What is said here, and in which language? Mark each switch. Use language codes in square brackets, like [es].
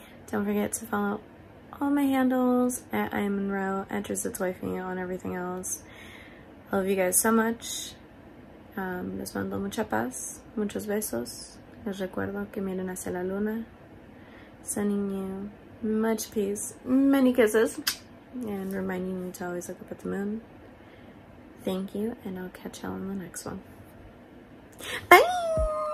[en] Don't forget to follow all my handles at I am Monroe, at Drizzt's wifey, on everything else. I love you guys so much. [es] Les mando mucha paz, muchos besos. Les recuerdo que miren hacia la luna. [en] Sending you much peace, many kisses, and reminding you to always look up at the moon. Thank you, and I'll catch y'all in the next one. Bye!